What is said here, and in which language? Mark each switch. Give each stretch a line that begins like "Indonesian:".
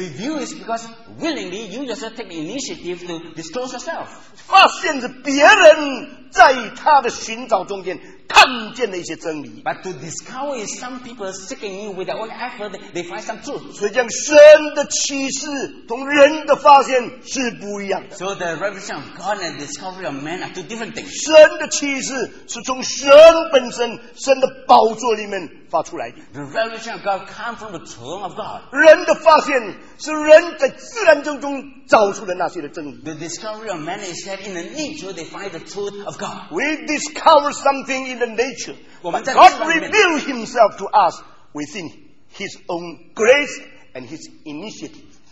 English: Reveal is because willingly you yourself take the initiative to disclose yourself.
Chinese: 发现是别人在他的寻找中间 看见了一些真理，
English: but to discover is some people seeking you with their own effort, they find some truth.
Chinese: 所以这样神的启示同人的发现是不一样的。
English: So the revelation of God and discovery of man are two different things.
Chinese: 神的启示是从神本身，神的宝座里面发出来的。
English: The revelation of God comes from the throne of God.
Chinese: 人的发现是人在自然中找出的那些的真理。
English: The discovery of man is that in the nature they find the truth of God. We discover something in the nature. But God revealed himself to us within his own grace and his initiative.